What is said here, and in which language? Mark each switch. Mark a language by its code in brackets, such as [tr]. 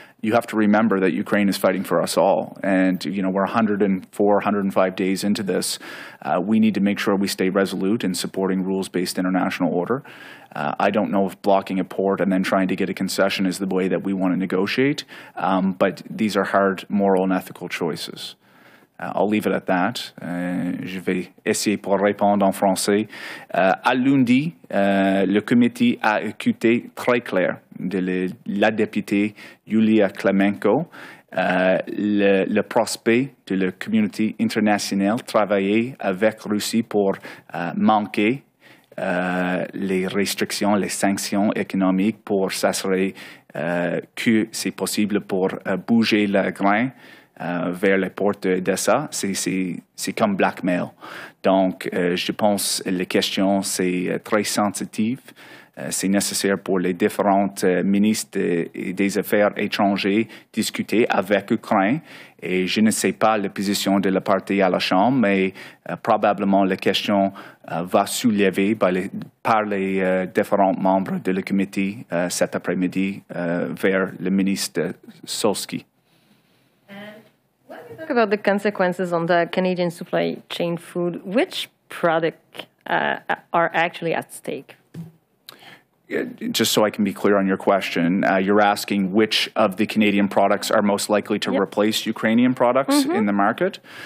[en] You have to remember that Ukraine is fighting for us all. And, you know, we're 104, 105 days into this. We need to make sure we stay resolute in supporting rules-based international order. I don't know if blocking a port and then trying to get a concession is the way that we want to negotiate. But these are hard moral and ethical choices. I'll leave it at that. [fr] Je vais essayer pour répondre en français. À lundi, le comité a écouté très clair de la députée Julia Klemenko. Le prospect de la communauté internationale travailler avec Russie pour manquer les restrictions, les sanctions économiques pour s'assurer que c'est possible pour bouger le grain vers les portes d'Odessa, c'est comme blackmail. Donc, je pense que la question, c'est très sensitive. C'est nécessaire pour les différents ministres des Affaires étrangères discuter avec l'Ukraine. Et je ne sais pas la position de la partie à la Chambre, mais probablement la question va soulever par les différents membres de la comité cet après-midi vers le ministre Solsky. [en] Talk about the consequences on the Canadian supply chain food. Which products are actually at stake? Just so I can be clear on your question, you're asking which of the Canadian products are most likely to replace Ukrainian products in the market.